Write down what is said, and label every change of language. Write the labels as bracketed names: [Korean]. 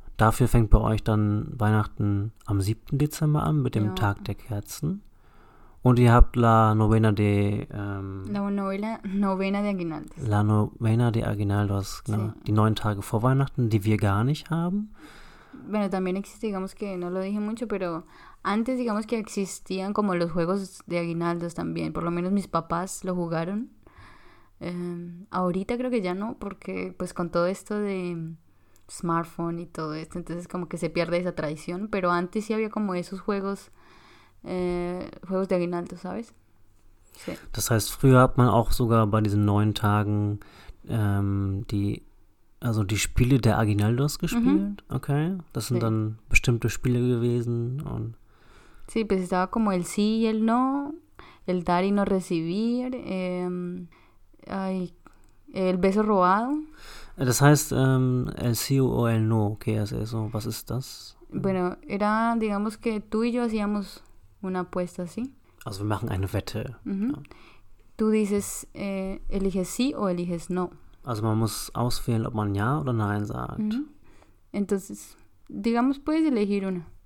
[German] Dafür fängt bei euch dann Weihnachten am 7. Dezember an mit dem Ja. Tag der Kerzen. Und ihr habt [Spanish] la novena de... novena de aguinaldos. La novena de aguinaldos, genau. Sí. [German] Die 9 Tage vor Weihnachten, die wir gar nicht haben. [Spanish] Bueno, también existe, digamos que no lo dije mucho, pero antes digamos que existían como los juegos de aguinaldos también. Por lo menos mis papás lo jugaron. Ahorita creo que ya no, porque pues con todo esto de smartphone y todo esto, entonces como que se pierde esa tradición, pero antes sí había como esos juegos... juegos de aguinaldo, ¿sabes? Sí. [German] Das heißt, früher hat man auch sogar bei diesen 9 Tagen die Spiele der Aguinaldos gespielt. Mhm. Okay, das sind dann bestimmte Spiele gewesen. Und [Spanish] sí, pues estaba como el sí y el no, el dar y no recibir, el beso robado. [German] Das heißt, [Spanish] el sí o el no, [German] okay, also, was ist das? [Spanish] Bueno, era, digamos que tú y yo hacíamos... una apuesta, ¿sí? [German] Also wir machen eine Wette. [Spanish] Mhm. Du dices, eliges sí o eliges no. [German] Also man muss auswählen, ob man ja oder nein sagt. Mhm. [Spanish] Entonces, digamos, puedes elegir una.